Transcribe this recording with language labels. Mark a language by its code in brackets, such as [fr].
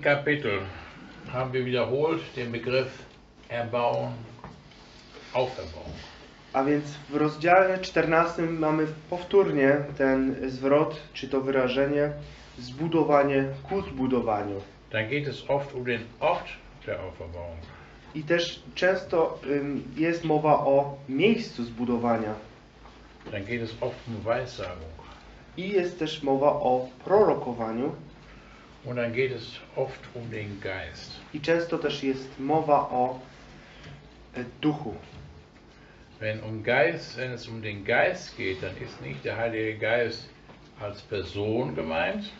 [de] Kapitel haben wir wiederholt den Begriff erbauen, auferbauen. [pl] A więc w rozdziale 14 mamy powtórnie ten zwrot, czy to wyrażenie zbudowanie ku zbudowaniu. [de] Dann geht es oft um den Ort der Auferbauung. [pl] I też często jest mowa o miejscu zbudowania. [de] Dann geht es oft um Weissagung. [pl] I jest też mowa o prorokowaniu. [de] Und dann geht es oft um den Geist. [pl] I często też jest mowa o duchu. [de] Wenn um Geist, wenn es um den Geist geht, dann ist nicht der Heilige Geist als Person gemeint.